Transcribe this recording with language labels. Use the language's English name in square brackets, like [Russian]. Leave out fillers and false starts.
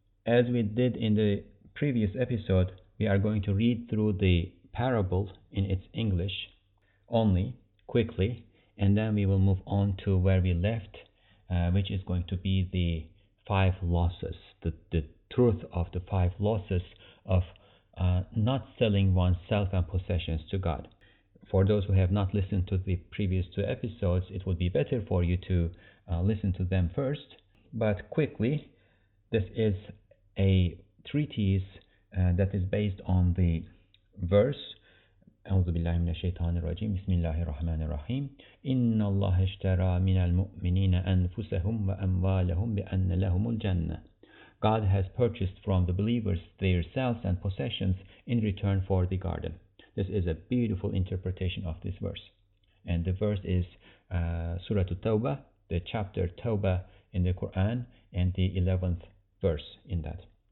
[English] As we did in the previous episode, we are going to read through the parable in its English only, quickly, and then we will move on to where we left, which is going to be the five losses, the truth of the five losses of not selling oneself and possessions to God. For those who have not listened to the previous two episodes, it would be better for you to listen to them first. But quickly, this is a treatise that is based on the verse [Arabic] أعوذ بالله من الشيطان الرجيم بسم الله الرحمن الرحيم إن الله اشترى من المؤمنين أنفسهم وأموالهم بأن لهم الجنة. [English] God has purchased from the believers their selves and possessions in return for the garden. This is a beautiful interpretation of this verse. And the verse is Surah At-Tawbah, the chapter Tawbah in the Quran, and the 11th verse in that.